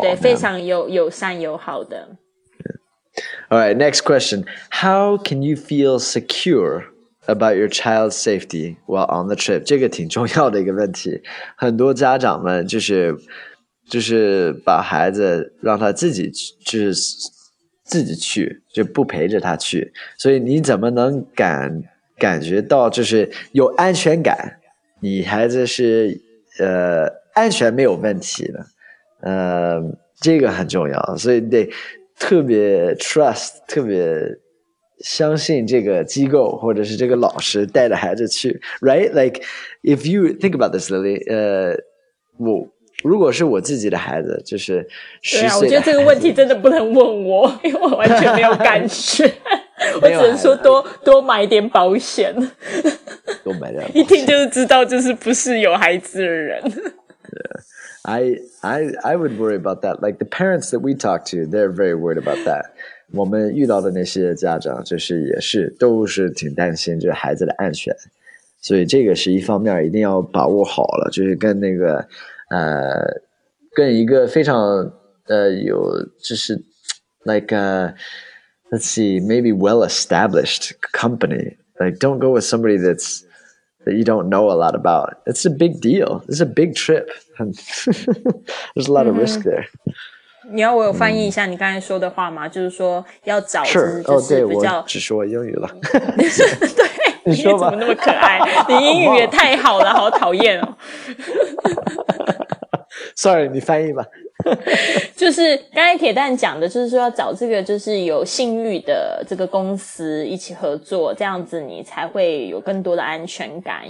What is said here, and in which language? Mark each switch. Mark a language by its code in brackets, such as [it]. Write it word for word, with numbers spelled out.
[zh] 对对对，非常友友善友好的。 [en] All right, next question. How can you feel secure about your child's safety while on the trip? [zh] 这个挺重要的一个问题。很多家长们就是就是把孩子让他自己就是自己去，就不陪着他去。所以你怎么能感感觉到就是有安全感？你孩子是呃。安全没有问题的，呃，这个很重要，所以得特别 trust， 特别相信这个机构或者是这个老师带着孩子去 ，right? [en] Like if you think about this, [zh] Lily， 呃，我如果是我自己的孩子，就是十岁的孩子，对啊，我觉得这个问题真的不能问我，因为我完全没有感觉，我只能说多多买点保险，多买点保险，一听就是知道就是不是有孩子的人。 [en] Yeah. I, I, I would worry about that. Like the parents that we talk to, they're very worried about that. [zh] 我们遇到的那些家长就是也是都是挺担心这孩子的安全。所以这个是一方面一定要把握好了，就是跟那个呃跟一个非常呃有就是 [en] like、uh, let's see maybe well established company, like don't go with somebody that's that you don't know a lot about. It's a big deal. It's a big trip. There's a lot of risk there. [zh] 你要我有翻译一下你刚才说的话吗？就是说要找是就是比较、哦、对，我只说英语了。对，你说吧，怎么那么可爱？你英语也太好了，好讨厌哦。 Sorry， 你翻译吧。就是刚才铁蛋讲的，就是说要找这个就是有信誉的这个公司一起合作，这样子你才会有更多的安全感。